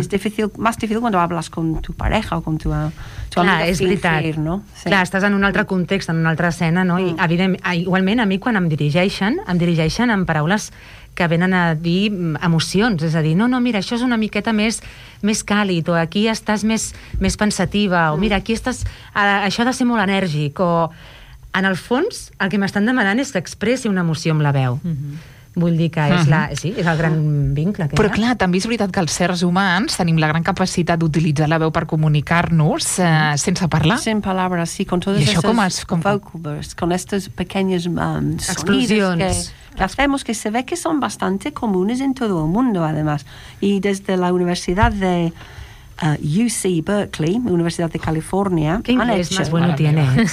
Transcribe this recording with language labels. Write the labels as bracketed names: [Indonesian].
[Catalan] És difícil, [Spanish] más difícil quan hablas con tu pareja o con tu [Catalan] amiga. Clar, és veritat. Fingir, no? Sí. Clar, estàs en un altre context, en una altra escena, no? I, evidentment, igualment, a mi quan em dirigeixen amb paraules que venen a dir emocions, és a dir, no, mira, això és una miqueta més càlid, o aquí estàs més pensativa, o mira, aquí estàs... Això ha de ser molt enèrgic, o... En el fons, el que m'estan demanant és que expressi una emoció amb la veu. Vull dir que és, sí, és el gran vincle. Però clar, també és veritat que els sers humans tenim la gran capacitat d'utilitzar la veu per comunicar-nos sense parlar. [Spanish] Sin palabras, sí, con todas estas vocables, con estas pequeñas [Catalan] explosions [Spanish] que hacemos, que se ve que son bastante comunes en todo el mundo, además. Y desde la Universidad de UC Berkeley, Universidad de California, han hecho... ¿Qué inglés más bueno tiene?